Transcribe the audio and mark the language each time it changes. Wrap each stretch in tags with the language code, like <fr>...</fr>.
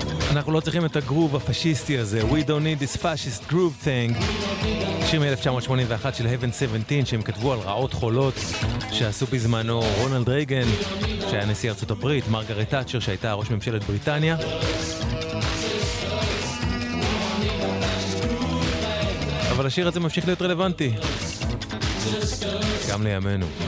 <he>אנחנו לא צריכים את הגרוב הפשיסטי הזה.</he> <en>We don't need this fascist groove thing.</en> <he>שיר מ-1981 של Heaven 17, שהם כתבו על רעות חולות שעשו בזמנו רונלד רייגן, שהיה נשיא ארצות הברית, מרגרט תאצ'ר, שהייתה ראש ממשלת בריטניה. אבל השיר הזה ממשיך להיות רלוונטי. גם לימינו.</he>